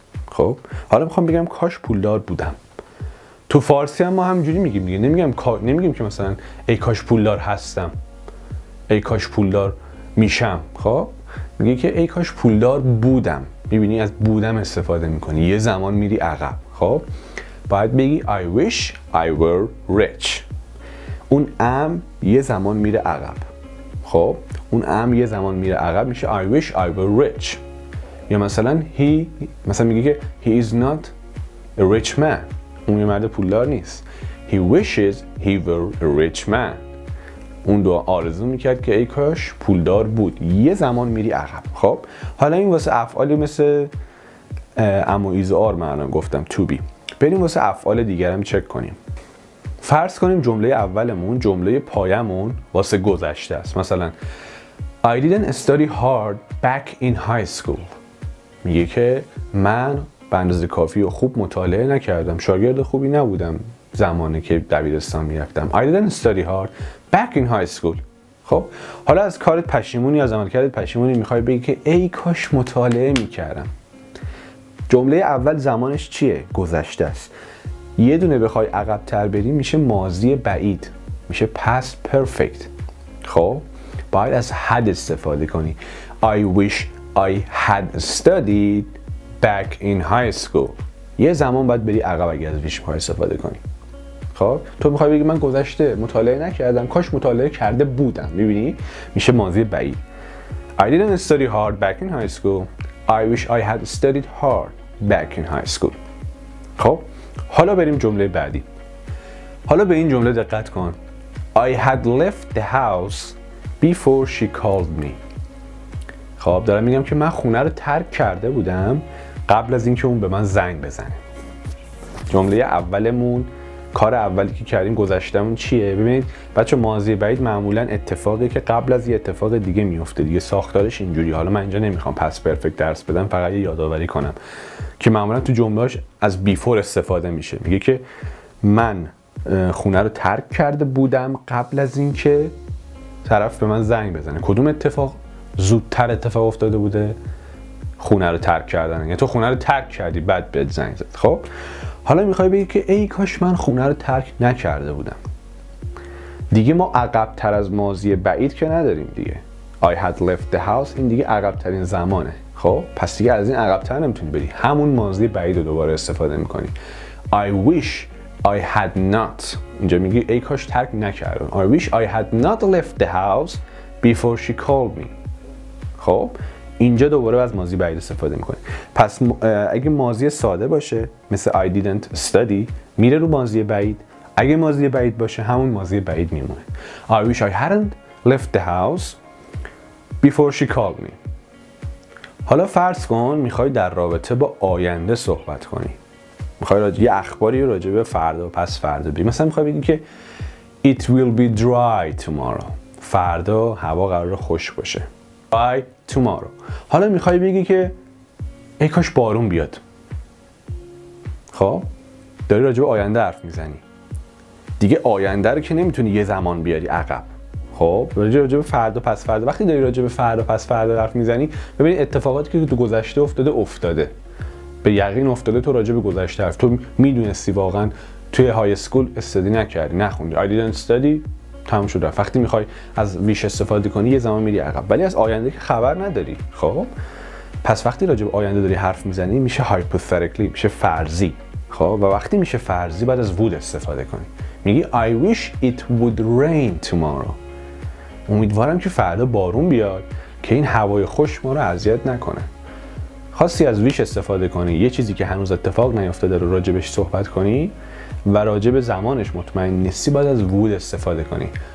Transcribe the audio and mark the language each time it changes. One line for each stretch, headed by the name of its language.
Persian: خب حالا میخوام بگم کاش پولدار بودم. تو فارسی هم ما همینجوری میگیم دیگه، نمیگیم که مثلا ای کاش پولدار هستم، ای کاش پولدار میشم. خب میگه که ای کاش پولدار بودم. میبینی از بودم استفاده میکنی، یه زمان میری عقب. خب باید بگی
English: I wish I were rich.
Persian: اون ام یه زمان میره عقب. خب اون ام یه زمان میره عقب میشه
English: I wish I were rich.
Persian: یا مثلا مثلا میگه که
English: He is not a rich man.
Persian: اون یه مرد پولدار نیست.
English: He wishes he were a rich man.
Persian: اون دو آرزو میکرد که ای کاش پولدار بود. یه زمان میری عقب. خب حالا این واسه افعالی مثل ام و ایز آر من گفتم to be. بریم واسه افعال دیگر هم چک کنیم. فرض کنیم جمله اولمون، جمله پایمون واسه گذشته است.
English: مثلا I didn't study hard back in high school.
Persian: میگه که من به اندازه کافی و خوب مطالعه نکردم، شاگرد خوبی نبودم زمانی که دبیرستان میرفتم.
English: I didn't study hard back in high school.
Persian: خب حالا از کارت پشیمونی، از عمل کردت پشیمونی، میخوای بگی که ای کاش مطالعه میکردم. جمله اول زمانش چیه؟ گذشته است. یه دونه بخوای عقب تر بری میشه ماضی بعید، میشه past perfect. خب باید از had استفاده کنی.
English: I wish I had studied back in high school.
Persian: یه زمان باید بری عقب اگه از wish استفاده کنی. خب تو میخوای بگی من گذشته مطالعه نکردم، کاش مطالعه کرده بودم. میبینی میشه ماضی بعید.
English: I didn't study hard back in high school. I wish I had studied hard back in high school.
Persian: خب حالا بریم جمله بعدی. حالا به این جمله دقت کن.
English: I had left the house before she called me.
Persian: خب دارم میگم که من خونه رو ترک کرده بودم قبل از اینکه اون به من زنگ بزنه. جمله اولمون، کار اولی که کردیم گذشتمون چیه؟ ببینید بچه، ماضی بعید معمولا اتفاقی که قبل از یه اتفاق دیگه میفته دیگه، ساختارش اینجوری. حالا من اینجا نمیخوام پس پرفکت درس بدم، فقط یه یادآوری کنم که معمولا تو جمله‌اش از بیفور استفاده میشه. میگه که من خونه رو ترک کرده بودم قبل از اینکه طرف به من زنگ بزنه. کدوم اتفاق زودتر اتفاق افتاده بوده؟ خونه رو ترک کردن. یعنی تو خونه رو ترک کردی بعد بهت زنگ زد. خب حالا میخوای بگی که ای کاش من خونه رو ترک نکرده بودم. دیگه ما عقب تر از ماضی بعید که نداریم دیگه.
English: I had left the house
Persian: این دیگه عقب ترین زمانه. خب پس دیگه از این عقب تر نمیتونی بری، همون ماضی بعید رو دوباره استفاده میکنی.
English: I wish I had not.
Persian: اینجا میگی ای کاش ترک نکردم.
English: I wish I had not left the house before she called me.
Persian: خب اینجا دوباره از ماضی بعید استفاده میکنه. پس اگه ماضی ساده باشه مثل
English: I didn't study
Persian: میره رو ماضی بعید، اگه ماضی بعید باشه همون ماضی بعید میمونه.
English: I wish I hadn't left the house before she called me.
Persian: حالا فرض کن میخوای در رابطه با آینده صحبت کنی، میخوای یه اخباری راجع به فردا و پس فردا بگی. مثلا میخوای بگی که
English: It will be dry tomorrow.
Persian: فردا هوا قرار خوش باشه.
English: Dry tomorrow.
Persian: حالا میخوای بگی که ای کاش بارون بیاد. خب داری راجع به آینده حرف میزنی دیگه. آینده رو که نمیتونی یه زمان بیاری عقب. خب راجع به فردا پس فردا، وقتی داری راجع به فردا پس فردا حرف میزنی، ببینید اتفاقاتی که تو گذشته افتاده افتاده، به یقین افتاده. تو راجع به گذشته حرف، تو میدونستی واقعا توی های اسکول استدی نکردی، نخوندی،
English: I didn't study،
Persian: تموم شد. وقتی میخوای از ویش استفاده کنی یه زمان میری عقب، ولی از آینده که خبر نداری. خب پس وقتی راجع به آینده داری حرف میزنی میشه hypothetically، میشه فرضی. خب و وقتی میشه فرضی بعد از would استفاده کنی.
English: میگی I wish it would rain tomorrow.
Persian: امیدوارم که فردا بارون بیاد که این هوای خوش ما رو اذیت نکنه. خواستی از ویش استفاده کنی، یه چیزی که هنوز اتفاق نیفتاده رو راجع بهش صحبت کنی و راجع به زمانش مطمئن نیستی، باید از would استفاده کنی.